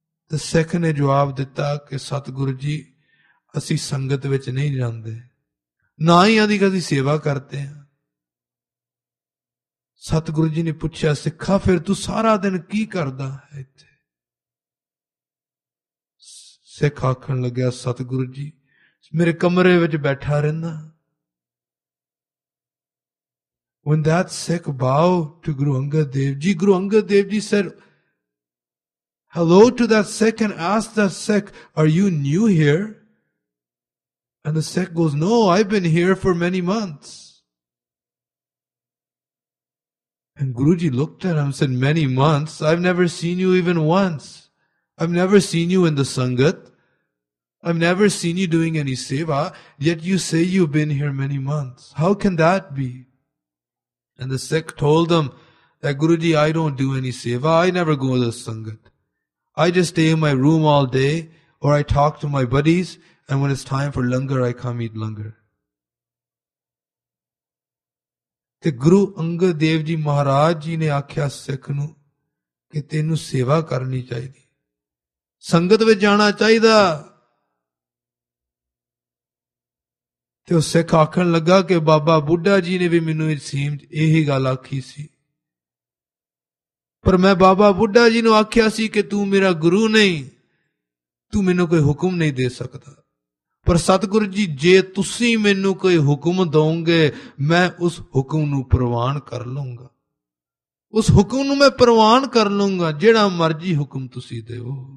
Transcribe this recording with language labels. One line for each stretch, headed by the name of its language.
Punjabi: ਤੇ ਸਿੱਖ ਨੇ ਜਵਾਬ ਦਿੱਤਾ ਕਿ ਸਤਿਗੁਰੂ ਜੀ, ਅਸੀਂ ਸੰਗਤ ਵਿੱਚ ਨਹੀਂ ਜਾਂਦੇ, ਨਾ ਹੀ ਅਸੀਂ ਕਦੀ ਸੇਵਾ ਕਰਦੇ ਹਾਂ। ਸਤਿਗੁਰੂ ਜੀ ਨੇ ਪੁੱਛਿਆ, ਸਿੱਖਾ ਫਿਰ ਤੂੰ ਸਾਰਾ ਦਿਨ ਕੀ ਕਰਦਾ ਹੈ ਇੱਥੇ? ਸਿੱਖ ਆਖਣ ਲੱਗਿਆ, ਸਤਿਗੁਰੂ ਜੀ, ਮੇਰੇ ਕਮਰੇ ਵਿੱਚ ਬੈਠਾ ਰਹਿੰਦਾ।
English: When that Sikh bowed to Guru Angad Dev Ji, Guru Angad Dev Ji said hello to that Sikh and asked that Sikh, are you new here? And the Sikh goes, no, I've been here for many months. And Guruji looked at him and said, many months? I've never seen you even once. I've never seen you in the Sangat. I've never seen you doing any Seva. Yet you say you've been here many months. How can that be? And the Sikh told him that, Guruji, I don't do any Seva. I never go to the Sangat. I just stay in my room all day, or I talk to my buddies, and when it's time for langar, I come eat langar.
Punjabi: ਤੇ ਗੁਰੂ ਅੰਗਦ ਦੇਵ ਜੀ ਮਹਾਰਾਜ ਜੀ ਨੇ ਆਖਿਆ ਸਿੱਖ ਨੂੰ ਕਿ ਤੈਨੂੰ ਸੇਵਾ ਕਰਨੀ ਚਾਹੀਦੀ, ਸੰਗਤ ਵਿੱਚ ਜਾਣਾ ਚਾਹੀਦਾ। ਤੇ ਉਹ ਸਿੱਖ ਆਖਣ ਲੱਗਾ ਕਿ ਬਾਬਾ ਬੁੱਢਾ ਜੀ ਨੇ ਵੀ ਮੈਨੂੰ ਇਸ ਸੀਮ ਇਹੀ ਗੱਲ ਆਖੀ ਸੀ, ਪਰ ਮੈਂ ਬਾਬਾ ਬੁੱਢਾ ਜੀ ਨੂੰ ਆਖਿਆ ਸੀ ਕਿ ਤੂੰ ਮੇਰਾ ਗੁਰੂ ਨਹੀਂ, ਤੂੰ ਮੈਨੂੰ ਕੋਈ ਹੁਕਮ ਨਹੀਂ ਦੇ ਸਕਦਾ, ਪਰ ਸਤਿਗੁਰੂ ਜੀ, ਜੇ ਤੁਸੀਂ ਮੈਨੂੰ ਕੋਈ ਹੁਕਮ ਦਓਗੇ, ਮੈਂ ਉਸ ਹੁਕਮ ਨੂੰ ਪ੍ਰਵਾਨ ਕਰ ਲਊਂਗਾ, ਉਸ ਹੁਕਮ ਨੂੰ ਮੈਂ ਪ੍ਰਵਾਨ ਕਰ ਲਊਂਗਾ, ਜਿਹੜਾ ਮਰਜ਼ੀ ਹੁਕਮ ਤੁਸੀਂ ਦਿਓ।